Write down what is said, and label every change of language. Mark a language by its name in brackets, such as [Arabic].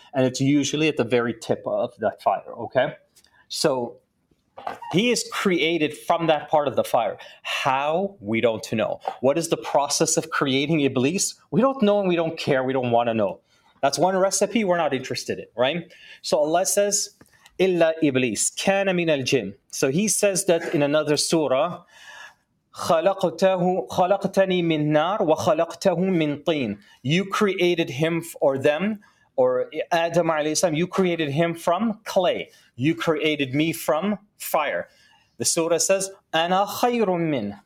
[English] And it's usually at the very tip of that fire, okay? So he is created from that part of the fire. How? We don't know. What is the process of creating Iblis? We don't know and we don't care. We don't want to know. That's one recipe we're not interested in, right? So Allah says, [Arabic] إِلَّا إِبْلِيس كَانَ مِنَ الْجِنِّ. [English] So he says that in another surah, [Arabic] خَلَقْتَنِي مِنْ نَارِ وَخَلَقْتَهُ مِنْ طِينِ. [English] You created him or them, or Adam alayhi salam, you created him from clay. You created me from fire. The surah says, [Arabic] أَنَا خَيْرٌ مِّنْ.